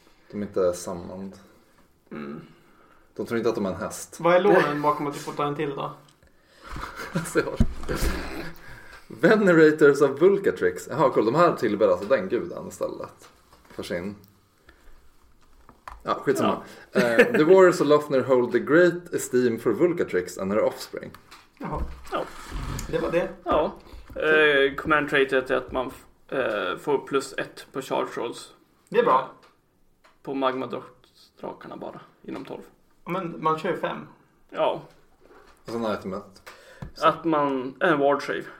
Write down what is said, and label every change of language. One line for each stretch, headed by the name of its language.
Swedish: De är inte sammand. Mm. De tror inte att de är en häst. Vad är loren bakom att du får ta en till då? Alltså, jag har... Venerators of Vulcatrix. Jaha, cool. De här tillber alltså den guden istället. För sin. Ja, skitsamma. Ja.
English: The warriors of Lofnir hold the great esteem for Vulcatrix and her offspring.
Swedish: Jaha. Ja. Det var det. Ja. Command traitet är att man får plus ett på charge rolls. Det är bra. På magmadrakarna bara. Inom 12. Men man kör ju 5. Ja. Och sen item 1. Att man... En ward save.